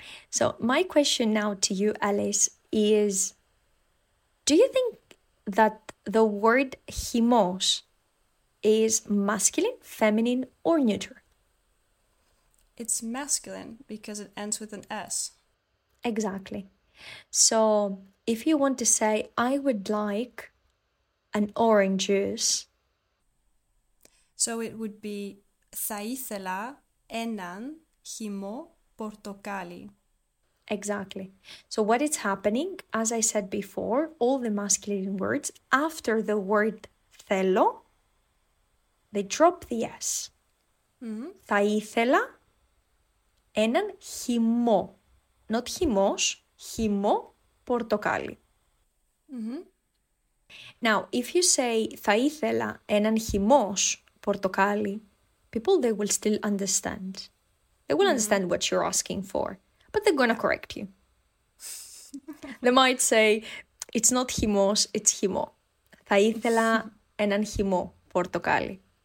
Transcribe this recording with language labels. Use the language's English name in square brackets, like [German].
[English] So my question now to you, Alice, is do you think that the word χυμός is masculine, feminine, or neuter? It's masculine because it ends with an S. Exactly. So, if you want to say, I would like an orange juice. [Greek] So, it would be, θα ήθελα έναν χυμό πορτοκάλι. [English] Exactly. So, what is happening, as I said before, all the masculine words, after the word θέλω, they drop the S. [Greek] Θα ήθελα έναν χυμό, not χυμός. Χυμό πορτοκάλι. [English] Now, if you say θα ήθελα έναν χυμός πορτοκάλι, people, they will still understand. They will understand what you're asking for, but they're going to correct you. They might say, it's not χυμός, it's χυμό. [Greek] Θα ήθελα έναν χυμό πορτοκάλι.